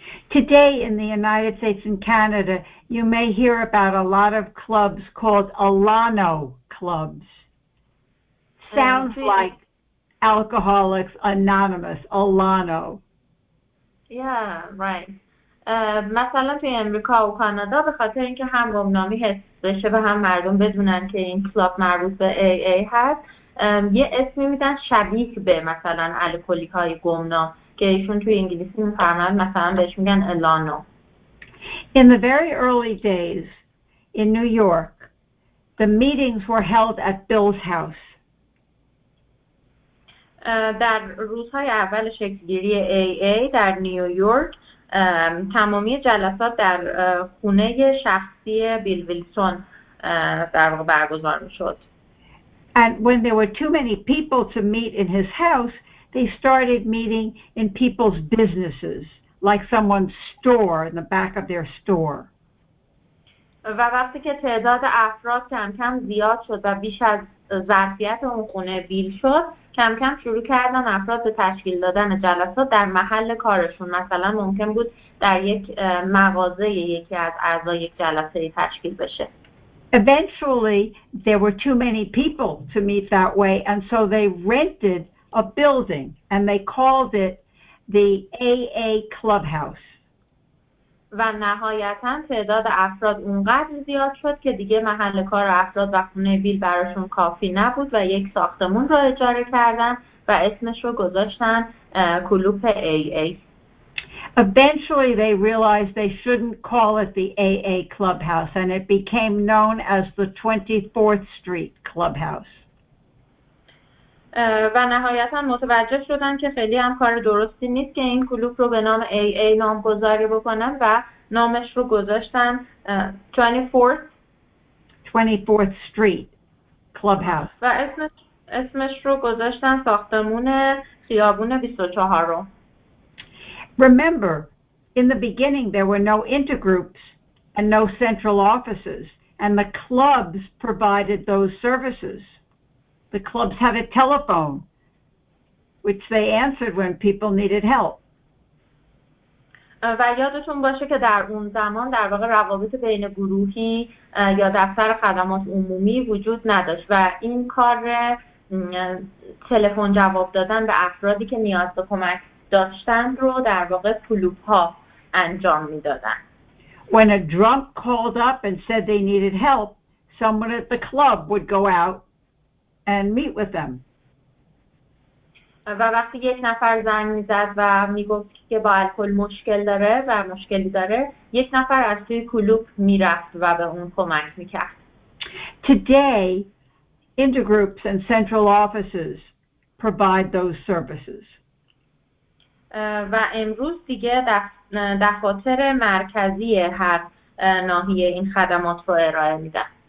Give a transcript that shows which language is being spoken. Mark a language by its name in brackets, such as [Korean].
[English] Today in the United States and Canada, you may hear about a lot of clubs called Alano clubs. Sounds like Alcoholics Anonymous, Alano. Yeah, right. [Persian] مثلا توی امریکا و کانادا به خاطر اینکه هم گمنامی هست بشه و هم مردم بدونن که این کلاب مربوط به AA هست، یه اسمی میدن شبیه به مثلا الکلیک‌های گمنام که ایشون توی انگلیسی میفرمان مثلا بهش میگن الانو. [English] In the very early days in New York, the meetings were held at Bill's house. [Persian] در روزهای اول شکلگیری AA در نیویورک تمامی جلسات در خونه شخصی بیل ویلسون در واقع برگزار می‌شد. [English] And when there were too many people to meet in his house, they started meeting in people's businesses, like someone's store, in the back of their store. [Persian] و وقتی که تعداد افراد کم کم زیاد شد و بیش از ظرفیت اون خونه بیل شد، کم کم شروع کردن افراد به تشکیل دادن جلسات در محل کارشون. مثلا ممکن بود در یک مغازه یکی از اعضای یک جلسه تشکیل بشه. [English] Eventually, there were too many people to meet that way, and so they rented a building, and they called it the AA Clubhouse. [Persian] و نهایتاً تعداد افراد اونقدر زیاد شد که دیگه محل کار افراد و خونه بیل براشون کافی نبود و یک ساختمون رو اجاره کردن و اسمش رو گذاشتن کلوپ AA. [English] Eventually, they realized they shouldn't call it the AA Clubhouse, and it became known as the 24th Street Clubhouse. [Persian] و نهایتاً متوجه شدن که خیلی هم کار درستی نیست که این کلوپ رو به نام AA نامگذاری بکنن و نامش رو گذاشتن [English] 24th Street Clubhouse. [Persian] و اسمش رو گذاشتن ساختمون خیابون 24 رو. [English] Remember, in the beginning, there were no intergroups and no central offices, and the clubs provided those services. The clubs had a telephone, which they answered when people needed help. [Persian] و یادتون باشه که در اون زمان در واقع روابط بین گروهی یا دفتر خدمات عمومی وجود نداشت و این کار تلفن جواب دادن به افرادی که نیاز به کمک داشتن رو در واقع کلوپ ها انجام میدادن. [English] When a drunk called up and said they needed help, someone at the club would go out and meet with them. [Persian] و وقتی یک نفر زنگ میزد و میگفت که با الکل مشکل داره و مشکلی داره، یک نفر از توی کلوپ میرفت و به اون کمک میکرد. [English] Today, intergroups and central offices provide those services. [Persian] و امروز دیگه دفاتر مرکزی هر ناحیه این خدمات رو ارائه میدن.